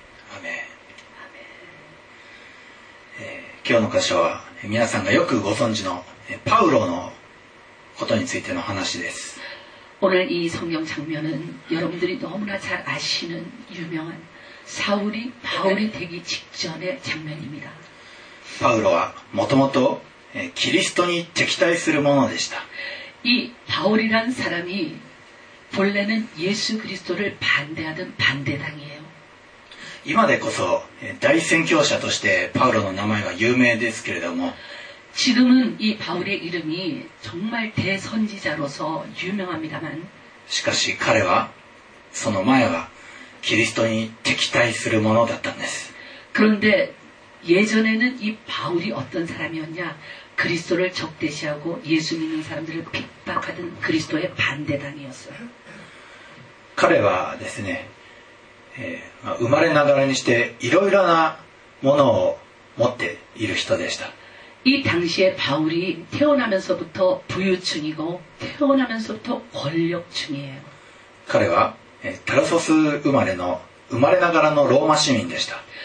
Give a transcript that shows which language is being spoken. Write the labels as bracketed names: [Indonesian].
[Japanese] 아멘아멘今日の箇所は皆さんがよくご存知のパウロのことについての話です。 [Korean] 오늘이성경장면은여러분들이너무나잘아시는유명한사울이바울이되기직전의장면입니다 바울은 [Japanese] もともとキリスト [Korean] 에적대할 [Japanese] ものでした [Korean] 이바울이란사람이본래는예수그리스도를반대하던반대당이에요 [Japanese] 今でこそ大宣教者としてパウロの名前は有名ですけれども [Korean] 지금은이바울의이름이정말대선지자로서유명합니다만 [Japanese] しかし彼はその前はキリストに敵対するものだったんです。 [Korean] 그런데예전에는이바울이어떤사람이었냐 그리스도를적대시하고예수믿는사람들을핍박하던그리스도의반대당이었어요 [Japanese] 彼はですね、生まれながらにしていろいろなものを持っている人でした。 [Korean] 이당시에바울이태어나면서부터부유층이고태어나면서부터권력층이에요。 [Japanese] 彼はタルソス生まれの生まれながらのローマ市民でした。